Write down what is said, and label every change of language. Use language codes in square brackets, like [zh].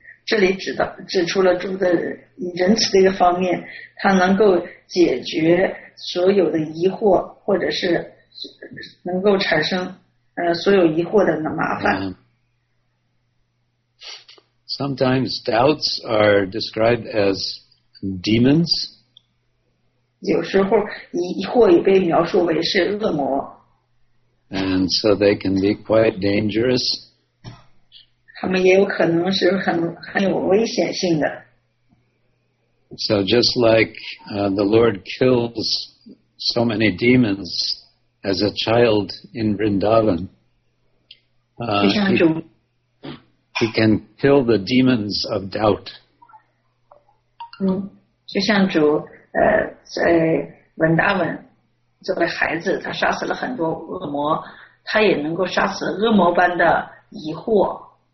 [zh] 这里指出了主的仁慈的一个方面，他能够解决所有的疑惑，或者是能够产生所有疑惑的麻烦。 [en] Sometimes doubts are described as demons. [zh] 有时候疑惑也被描述为是恶魔。 [en] And so they can be quite dangerous. [zh] 他们也有可能是很有危险性的。 [en] So just like the Lord kills so many demons as a child in Vrindavan, he can kill the demons of doubt. [zh] 就像主在文达文作为孩子，他杀死了很多恶魔，他也能够杀死恶魔般的疑惑。